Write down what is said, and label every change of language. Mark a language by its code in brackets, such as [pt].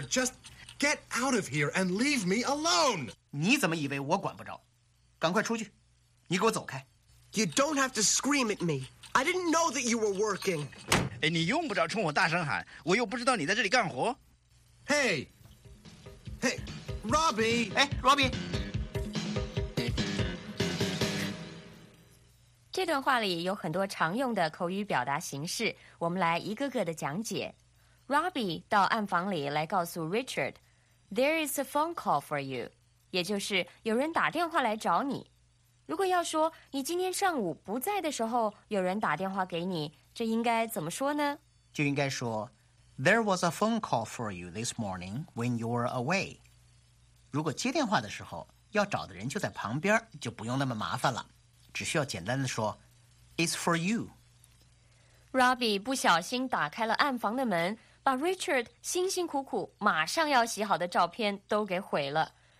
[en] Just get out of here and leave me alone. [zh] 你怎么以为我管不着？赶快出去，你给我走开。 [en] You don't have to scream at me. I didn't know that you were working. [zh] 哎，你用不着冲我大声喊，我又不知道你在这里干活。 [en] Hey, Robbie. 哎 ，Robbie。 [zh] 这段话里有很多常用的口语表达形式，我们来一个个的讲解。 Robbie 到暗房里来告诉 Richard, [en] There is a phone call for you, [zh] 也就是有人打电话来找你。如果要说你今天上午不在的时候有人打电话给你，这应该怎么说呢？就应该说 [en] There was a phone call for you this morning when you were away. [zh] 如果接电话的时候要找的人就在旁边，就不用那么麻烦了，只需要简单的说 [en] It's for you. [zh] Robbie 不小心打开了暗房的门，把 Richard 辛辛苦苦马上要洗好的照片都给毁了。